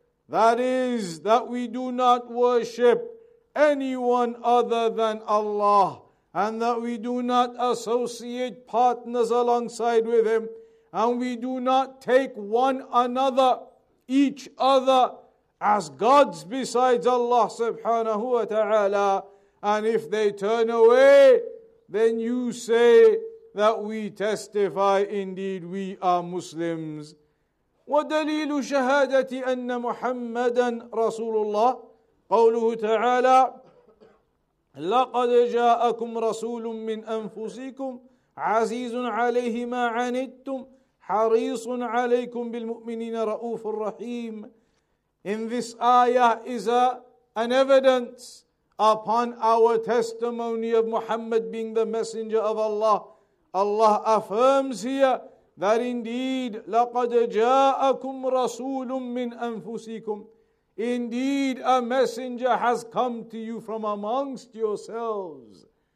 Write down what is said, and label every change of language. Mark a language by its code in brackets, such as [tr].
[en] That is that we do not worship anyone other than Allah, and that we do not associate partners alongside with Him, and we do not take one another, each other, as gods besides Allah subhanahu wa ta'ala. And if they turn away, then you say that we testify indeed we are Muslims. [ar] ودليل شهادة أن محمدا رسول الله قوله تعالى لقد جاءكم رسول من أنفسكم عزيز عليه ما عنتم حريص عليكم بالمؤمنين رؤوف رحيم. [en] In this ayah is an evidence upon our testimony of Muhammad being the messenger of Allah. Allah affirms here that indeed, [ar] لَقَدْ جَاءَكُمْ رَسُولٌ مِّنْ أَنفُسِكُمْ, [en] indeed a messenger has come to you from amongst yourselves.